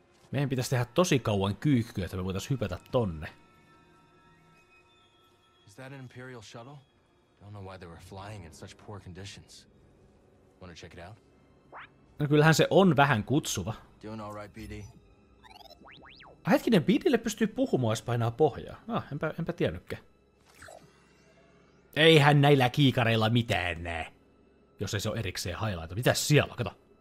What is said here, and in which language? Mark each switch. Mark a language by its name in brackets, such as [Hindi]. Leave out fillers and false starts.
[Finnish] Meidän pitäisi tehdä tosi kauan kyykkyä, että me voitaisiin hypätä tonne. [English] Is that an Imperial shuttle? Don't know why they were flying in such poor conditions. Wanna check it out? [Finnish] No kyllähän se on vähän kutsuva. [English] Doing all right, BD. [Finnish] Ah, hetkinen, BD:lle pystyy puhumaan, jos painaa pohjaa. Ah, enpä tiennytkään. Eihän näillä kiikareilla mitään näe. Jos ei se ole erikseen highlight. Mitäs siellä? Kato.